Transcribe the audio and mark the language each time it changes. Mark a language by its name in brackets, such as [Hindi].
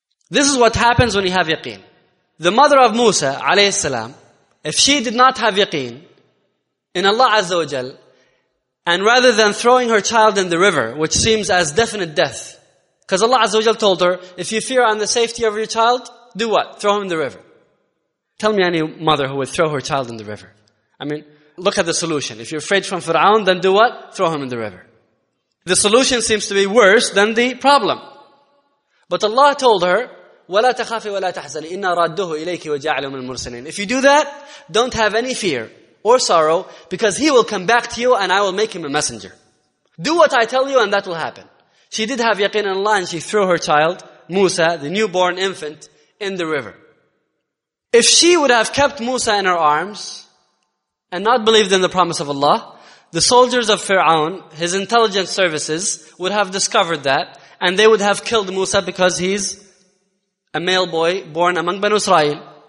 [English] This is what happens when you have yaqeen. The mother of Musa alayhi salam, if she did not have yaqeen in Allah Azza wa Jal, and rather than throwing her child in the river, which seems as definite death, because Allah Azza wa Jal told her, if you fear on the safety of your child, do what? Throw him in the river. Tell me any mother who would throw her child in the river. I mean, look at the solution. If you're afraid from Fir'aun, then do what? Throw him in the river. The solution seems to be worse than the problem. But Allah told her, [Arabic] وَلَا تَخَافِ وَلَا تَحْزَنِ إِنَّا رَدُّهُ إِلَيْكِ وَجَعْلُهُ مِنَ الْمُرْسَلِينَ. [English] If you do that, don't have any fear or sorrow because he will come back to you and I will make him a messenger. Do what I tell you and that will happen. She did have yaqeen in Allah and she threw her child, Musa, the newborn infant, in the river. If she would have kept Musa in her arms and not believed in the promise of Allah, the soldiers of Fir'aun, his intelligence services, would have discovered that and they would have killed Musa because he's a male boy born among Banu Israel.